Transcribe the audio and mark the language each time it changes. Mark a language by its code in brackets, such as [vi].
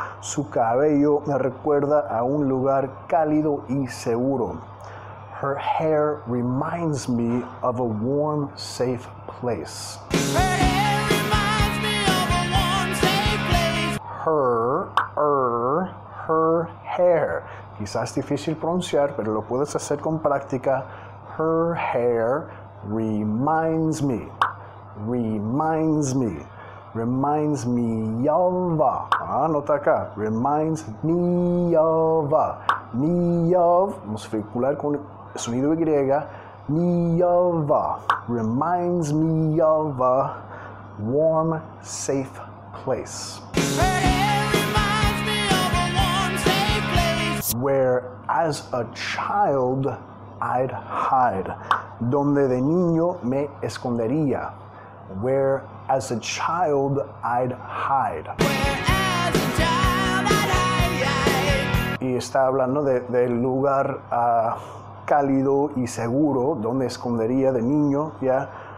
[es] Su cabello me recuerda a un lugar cálido y seguro. [en] Her hair reminds me of a warm, safe place. Her hair reminds me of a warm, safe place. Her hair. [es] Quizás difícil pronunciar, pero lo puedes hacer con práctica. [en] Her hair reminds me. Reminds me. Reminds me of a. [es] Nota acá. [en] Reminds me of a. Me of. [es] Vamos a vincular con sonido Y, [en] me of a, reminds me of a warm, safe place. Her hair reminds me of a warm, safe place. Where as a child I'd hide. [es] Donde de niño me escondería. [en] Where as a child I'd hide. Where as a child I'd hide. [es] Y está hablando del lugar a. Cálido y seguro, donde escondería de niño, ya.